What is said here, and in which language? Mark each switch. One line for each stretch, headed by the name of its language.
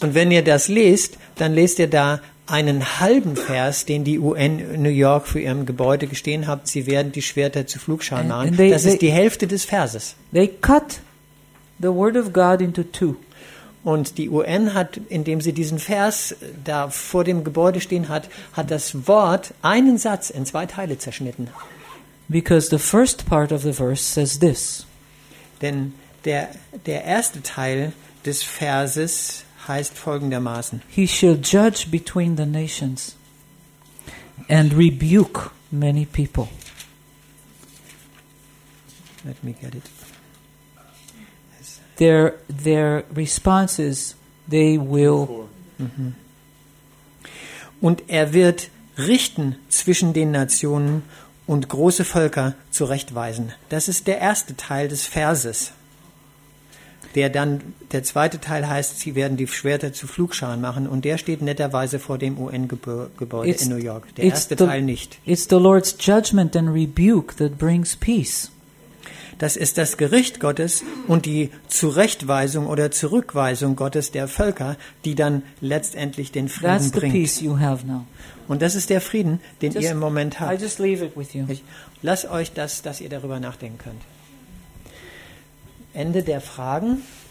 German: Und wenn ihr das lest, dann lest ihr da einen halben Vers, den die UN New York für ihrem Gebäude gestehen hat. Sie werden die Schwerter zu Flugscharen machen. Das ist die Hälfte des Verses.
English: They cut the word of God into two.
German: Und die UN hat, indem sie diesen Vers da vor dem Gebäude stehen hat, hat das Wort einen Satz in zwei Teile zerschnitten.
English: Because the first part of the verse says this.
German: Denn der erste Teil des Verses heißt folgendermaßen:
English: He shall judge between the nations and rebuke many people. Let me get it. Their responses, they will.
German: Und er wird richten zwischen den Nationen und große Völker zurechtweisen. Das ist der erste Teil des Verses. Der zweite Teil heißt, sie werden die Schwerter zu Flugscharen machen, und der steht netterweise vor dem UN-Gebäude in New York. Der erste Teil nicht.
English: It's the Lord's judgment and rebuke that brings peace.
German: Das ist das Gericht Gottes und die Zurechtweisung oder Zurückweisung Gottes der Völker, die dann letztendlich den Frieden
English: That's
German: bringt.
English: The peace you have now.
German: Und das ist der Frieden, den ihr im Moment habt.
English: I just leave it with you.
German: Ich lass euch das, dass ihr darüber nachdenken könnt. Ende der Fragen.